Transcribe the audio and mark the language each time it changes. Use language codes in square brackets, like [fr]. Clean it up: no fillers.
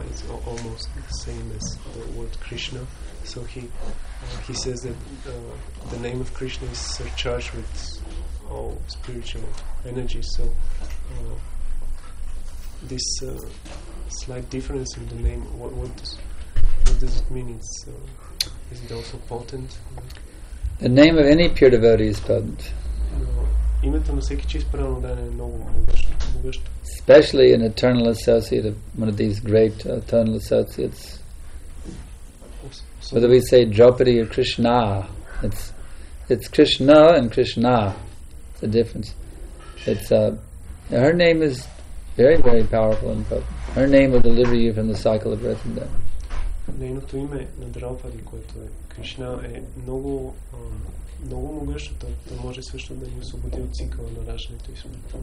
[en] It's almost the same as the word Krishna. So he says that the name of Krishna is surcharged with all spiritual energy. So this slight difference in the name, what does it mean? Is it also potent? The name of any pure devotee is potent. [bg] Името на всеки чист праведен е много могъщо. [en] Especially an eternal associate of one of these great eternal associates. Whether we say Draupadi or Krishna, it's Krishna and Krishna. It's a difference. Her name is very, very powerful and potent. Her name will deliver you from the cycle of birth and death. [bg] Нейното име на Драупади, което е Кришна, е много, много могъщо. Това може също да ни освободи от цикъла на раждането и смъртта.